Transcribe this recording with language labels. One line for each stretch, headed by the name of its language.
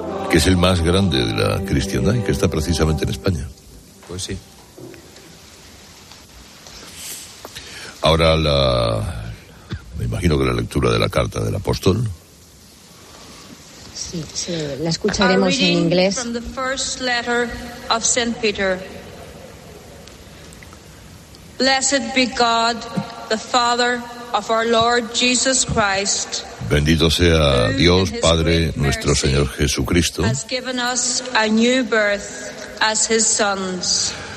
Spanish: Que es el más grande de la cristiandad y que está precisamente en España. Pues sí. Ahora la... Me imagino que la lectura de la carta del apóstol. Sí, sí, la escucharemos en inglés.
English: From the first letter of Saint Peter. Blessed be God, the Father of our Lord Jesus Christ.
Spanish: Bendito sea Dios, Padre nuestro Señor Jesucristo.
English: Has given us a new birth as his sons.